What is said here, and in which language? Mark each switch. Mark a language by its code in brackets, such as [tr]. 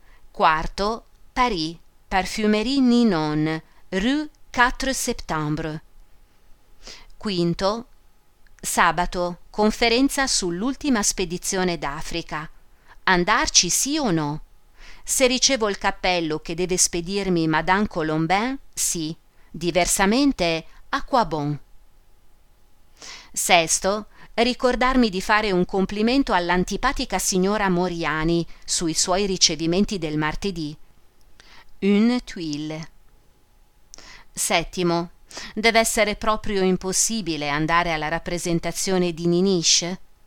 [it] Quarto, Paris, Parfumerie Ninon, rue 4 Septembre. Quinto, sabato, conferenza sull'ultima spedizione d'Africa. Andarci sì o no? Se ricevo il cappello che deve spedirmi Madame Colombin, sì. Diversamente, [fr] à quoi bon? [it] Sesto, ricordarmi di fare un complimento all'antipatica signora Moriani sui suoi ricevimenti del martedì. [fr] Une tuile. [it] Settimo, deve essere proprio impossibile andare alla rappresentazione di Niniche?